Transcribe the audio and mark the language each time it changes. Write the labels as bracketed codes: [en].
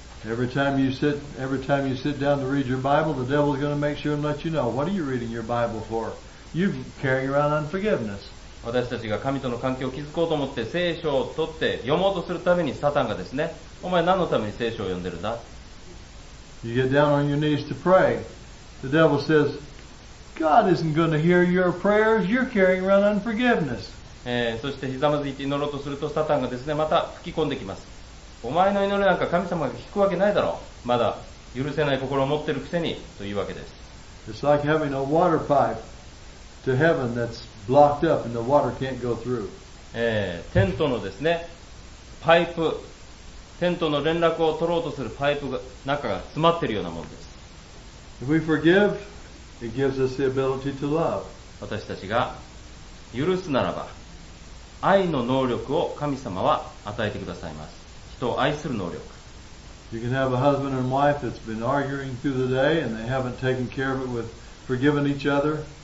[en] Every time you sit down to read your Bible, the devil is going to make sure and let you know. What are you reading your Bible for? You're carrying around unforgiveness. [ja] 私たちが神との関係を築こうと思って聖書を取って読もうとするために、サタンがですね、お前何のために聖書を読んでるんだ。 [en] You get down on your knees to pray. The devil says, God isn't going to hear your prayers. You're carrying around unforgiveness. [ja] そしてひざまずいて祈ろうとすると、サタンがですね、また吹き込んできます。お前の祈りなんか神様が聞くわけないだろう。まだ許せない心を持ってるくせにというわけです。 [en] It's like having a water pipe to heaven that's locked up and the water can't go through. [ja] テントのですね、パイプ、テントの連絡を取ろうとするパイプが中が詰まっているようなものです。 [en] If we forgive, it gives us the ability to love. [ja] 私たちが許すならば、愛の能力を神様は与えてくださいます。人を愛する能力。 [en] You can have a husband and wife that's been arguing through the day and they haven't taken care of it with forgiving each other.